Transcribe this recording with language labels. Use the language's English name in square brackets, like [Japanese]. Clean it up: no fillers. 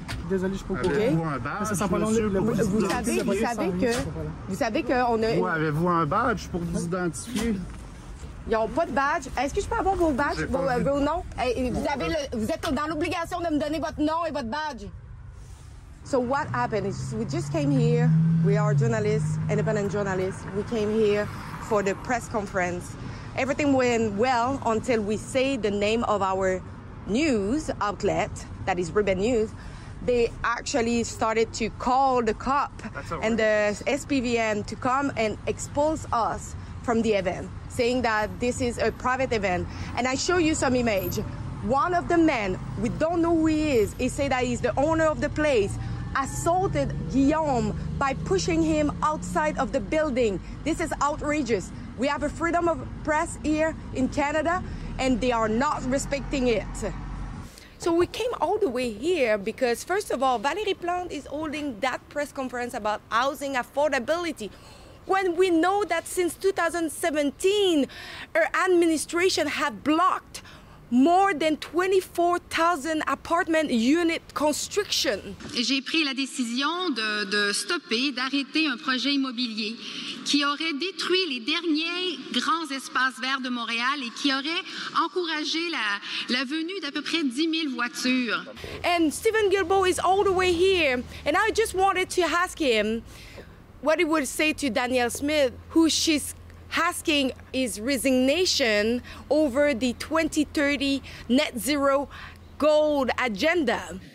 [French] Désolé, je peux pas. Avez-vous un badge? Ça sent pas long, vous savez qu'on a. Oui, avez-vous un badge pour vous identifier? Ils n'ont pas de badge. Est-ce que je peux avoir vos badges, vos noms? Vous êtes dans l'obligation de me donner votre nom et votre badge. [English] So what happened is we just came here. We are journalists, independent journalists. We came here for the press conference. Everything went well until we say the name of our news outlet, that is Ruben News. they actually started to call the cop and the SPVM to come and expose us from the event, saying that this is a private event. And I show you some image. One of the men, we don't know who he say that he's the owner of the place, assaulted Guillaume by pushing him outside of the building. This is outrageous. We have a freedom of press here in Canada, and they are not respecting it. So we came all the way here because, first of all, Valérie Plante is holding that press conference about housing affordability, when we know that since 2017, her administration have blocked more than 24,000 apartment unit construction. [French] J'ai pris la décision de stopper, d'arrêter un projet immobilier qui aurait détruit les derniers grands espaces verts de Montréal et qui aurait encouragé la venue d'à peu près 10 000 voitures. [English] And Stephen Guilbeault is all the way here, and I just wanted to ask him what he would say to Danielle Smith, who she's asking his resignation over the 2030 net zero goal agenda.